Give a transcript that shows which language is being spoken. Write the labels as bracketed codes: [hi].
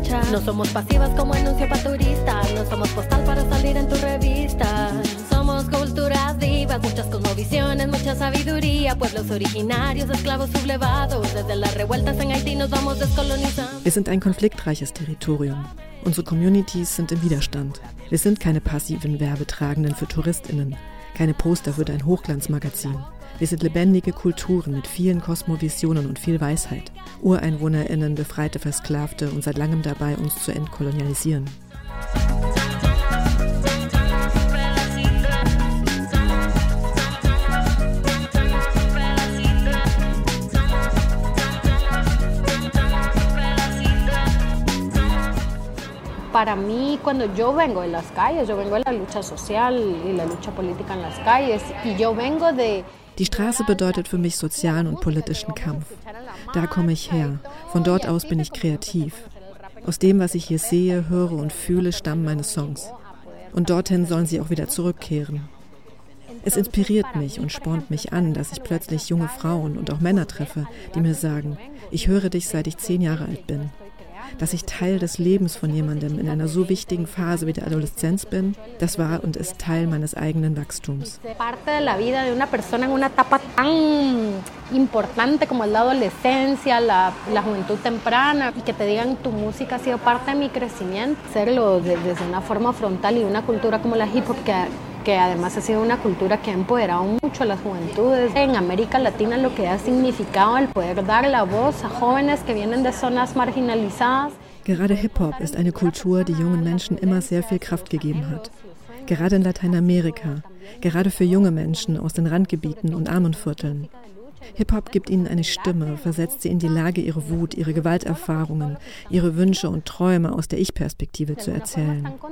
[es] No somos pasivas como anuncio para turistas, no somos postal para salir en tu revista. Somos culturas vivas, muchas cosmovisiones, mucha sabiduría, pueblos originarios, esclavos sublevados, desde las revueltas en Haití nos vamos descolonizando. [de] Wir sind ein konfliktreiches Territorium. Unsere Communities sind im Widerstand. Wir sind keine passiven Werbetragenden für TouristInnen, keine Poster für dein Hochglanzmagazin. Wir sind lebendige Kulturen mit vielen Kosmovisionen und viel Weisheit. UreinwohnerInnen, befreite Versklavte und seit langem dabei, uns zu entkolonialisieren. [es] Para mí, cuando yo vengo de las calles, yo vengo de la lucha social y la lucha política en las calles, y yo vengo de... [de] Die Straße bedeutet für mich sozialen und politischen Kampf. Da komme ich her. Von dort aus bin ich kreativ. Aus dem, was ich hier sehe, höre und fühle, stammen meine Songs. Und dorthin sollen sie auch wieder zurückkehren. Es inspiriert mich und spornt mich an, dass ich plötzlich junge Frauen und auch Männer treffe, die mir sagen, ich höre dich, seit ich 10 Jahre alt bin. dass ich Teil des Lebens von jemandem in einer so wichtigen Phase wie der Adoleszenz bin, das war und ist Teil meines eigenen Wachstums. [es] Parte de la vida de una persona en una etapa tan importante como es la adolescencia, la juventud temprana, y que te digan tu música ha sido parte de mi crecimiento, hacerlo desde una forma frontal y una cultura como la hip hop que además ha sido una cultura que ha empoderado mucho a las juventudes. En América Latina lo que ha significado el poder dar la voz a jóvenes que vienen de zonas marginalizadas. [de] Gerade Hip-Hop ist eine Kultur, die jungen Menschen immer sehr viel Kraft gegeben hat. Gerade in Lateinamerika, gerade für junge Menschen aus den Randgebieten und Armenvierteln. Hip-Hop gibt ihnen eine Stimme, versetzt sie in die Lage, ihre Wut, ihre Gewalterfahrungen, ihre Wünsche und Träume aus der Ich-Perspektive zu erzählen.